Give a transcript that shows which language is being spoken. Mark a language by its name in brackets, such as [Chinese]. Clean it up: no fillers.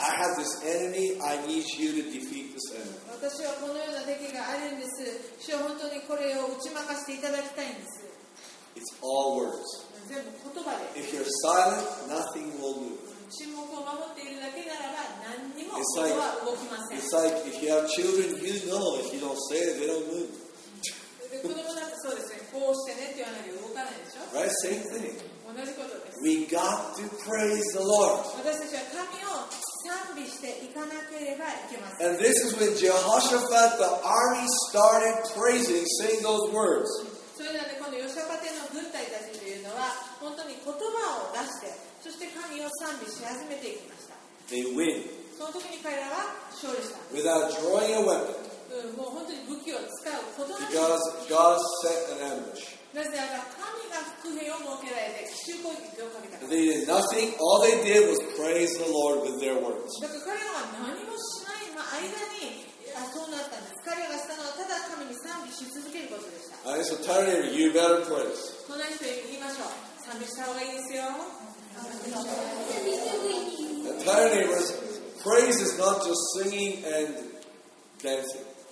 [English] I have this enemy. I need you to defeat this enemy. [Japanese] 私はこのような敵があるんです。主は本当にこれを打ち負かしていただきたいんです。 [English] It's all words. [Japanese] 全部言葉です。 [English] If you're silent, nothing will move. [Japanese] 沈黙を守っているだけならば何にも心は動きません。 [English] It's like if you have children, you know if you don't say it, they don't move. [Japanese] 子供だってそうですね。こうしてねって言わないで動かないでしょ。 [English] Right, same thing. [Japanese] 同じことです。 [English] We got to praise the Lord. [Japanese] 私たちは神を賛美していかなければいけません。 [English] And this is when Jehoshaphat, the army, started praising, saying those words. [Japanese] それなんで今度ヨシャパテの軍隊たちというのは本当に言葉を出してそして神を賛美し始めていきました。 [English] They win. [Japanese] その時に彼らは勝利した。 [English] Without drawing a weapon. [Japanese] もう本当に武器を使うことなく。 [English] Because God set an ambush. [Japanese] なぜなら神が伏兵を設けられて奇襲攻撃をかけたから。 [English] They did nothing. All they did was praise the Lord with their words. [Japanese] だから彼らは何もしない間にそうなったんです。彼らがしたのはただ神に賛美し続けることでした。 [English] All right, so tell him, you better praise. [Japanese] この人に言いましょう。賛美した方がいいですよ。 [English] The tire neighbors, praise is not just singing and dancing.